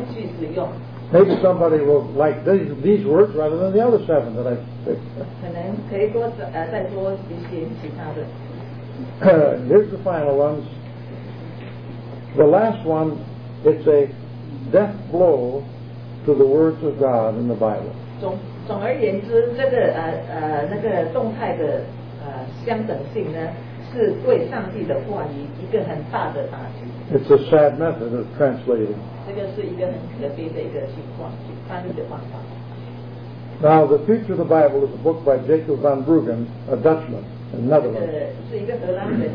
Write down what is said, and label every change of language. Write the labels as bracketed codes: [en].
[en] Maybe somebody will like these words rather than the other 7 that I picked. Here's the final ones. The last one, it's a death blow to the words of God in the Bible. [zh] 总而言之，这个动态的相等性呢，是对上帝的话语一个很大的打击。 [en] It's a sad method of translating. [zh] 这个是一个很可悲的一个情况，翻译的方法。 [en] Now, the Future of the Bible is a book by Jacob van Bruggen, a Dutchman, in Netherlands.